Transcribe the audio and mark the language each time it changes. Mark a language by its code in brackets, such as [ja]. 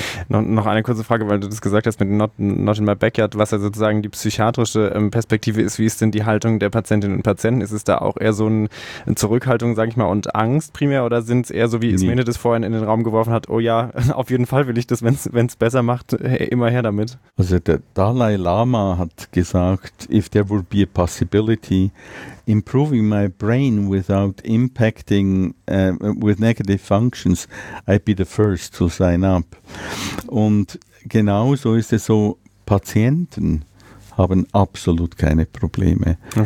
[de] Noch eine kurze Frage, weil du das gesagt hast mit [en] not in my backyard, [de] was ja sozusagen die psychiatrische Perspektive ist, wie ist denn die Haltung der Patientinnen und Patienten? Ist es da auch eher so eine Zurückhaltung, sag ich mal, und Angst primär oder sind es eher so, wie Ismene das vorhin in den Raum geworfen hat, oh ja, auf jeden Fall will ich das, wenn es besser macht, immer her damit? Also der Dalai Lama hat gesagt, [en] if there would be a possibility, improving my brain without impacting with negative functions, I'd be the first to sign up. [de] Und genauso ist es so, Patienten haben absolut keine Probleme.